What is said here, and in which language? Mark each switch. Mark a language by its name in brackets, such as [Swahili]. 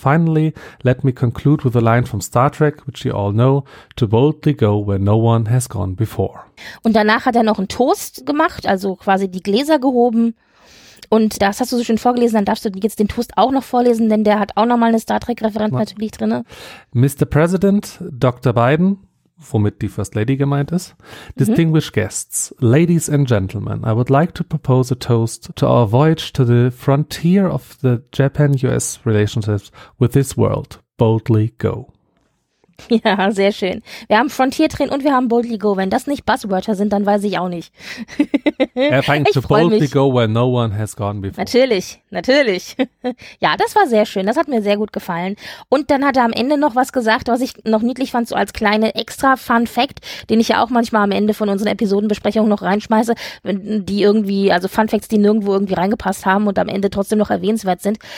[English] Finally, let me conclude with a line from Star Trek, which you all know, to boldly go where no one has gone before. [German] Und danach hat er noch einen Toast gemacht, also quasi die Gläser gehoben. Und das hast du so schön vorgelesen, dann darfst du jetzt den Toast auch noch vorlesen, denn der hat auch nochmal eine Star Trek-Referenz natürlich drin. [English] Mr. President, Dr. Biden, [German] womit die First Lady gemeint ist, [English] distinguished guests, ladies and gentlemen, I would like to propose a toast to our voyage to the frontier of the Japan-US relationship with this world. Boldly go. [German] Ja, sehr schön. Wir haben Frontier drin und wir haben Boldly Go. Wenn das nicht Buzzwörter sind, dann weiß ich auch nicht. Er fängt zu [English] Boldly Go, where no one has gone before. [German] Natürlich, natürlich. Ja, das war sehr schön. Das hat mir sehr gut gefallen. Und dann hat er am Ende noch was gesagt, was ich noch niedlich fand, so als kleine extra Fun Fact, den ich ja auch manchmal am Ende von unseren Episodenbesprechungen noch reinschmeiße, die irgendwie, also Fun Facts, die nirgendwo irgendwie reingepasst haben und am Ende trotzdem noch erwähnenswert sind.